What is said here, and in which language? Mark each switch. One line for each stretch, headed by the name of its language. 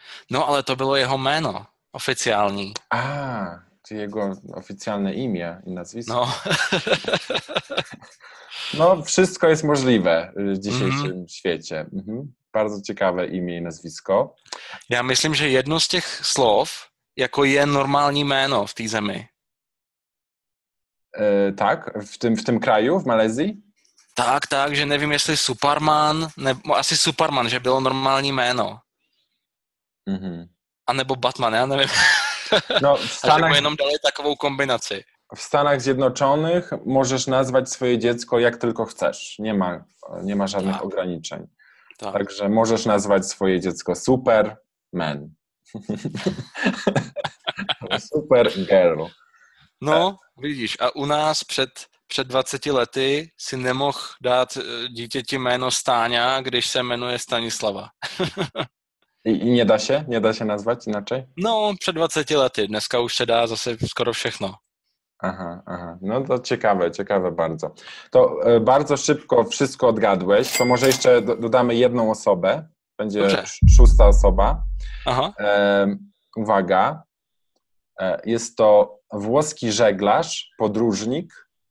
Czech: No, ale to bylo jeho jméno, oficiální. A, to je jeho oficiální
Polish: imię i nazvisko.
Czech: No. No, všechno je možné v dnešním světě. Mhm.
Polish: Bardzo ciekawe imię i nazwisko. Ja myślę, że jedno z tych słów jako je normalne imię w tej ziemi. Tak, w tym kraju, w Malezji? Tak, tak, że nie wiem, jestli Superman, asi Superman, że było normalne imię.
Czech: Mhm. A nebo Batman,
Polish: ja nie wiem. No, w Stanach jedną dalej taką kombinację. W Stanach Zjednoczonych możesz nazwać swoje dziecko jak tylko chcesz. Nie ma żadnych tak. ograniczeń. Tak. Także możesz nazwać swoje dziecko Superman. Super girl.
Czech: No, vidíš, a u nás před 20 lety si nemohl dát dítěti jméno Stáňa, když se jmenuje Stanislava.
Polish: I nie da się? Nie da się nazwać inaczej?
Czech: No, před 20 lety. Dneska už se dá zase skoro všechno.
Polish: Aha, aha. No to ciekawe, ciekawe bardzo. To bardzo szybko wszystko odgadłeś, to może jeszcze dodamy jedną osobę, będzie szósta osoba. Aha. Uwaga, jest to włoski żeglarz, podróżnik.